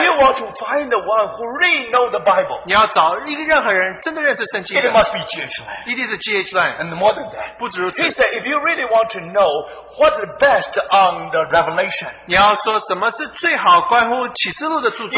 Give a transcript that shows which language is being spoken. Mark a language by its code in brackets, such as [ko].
[en] if you want to find the one who really know the Bible, [zh] 你要找任何人真的认识圣经, [en] it must be G.H. Lang. [zh] 一定是 G.H. Lang. [en] And more than that, [zh] 不止如此, [en] he said if you really want to know what the best on the Revelation, [zh] 说什么是最好关乎启示录的著作,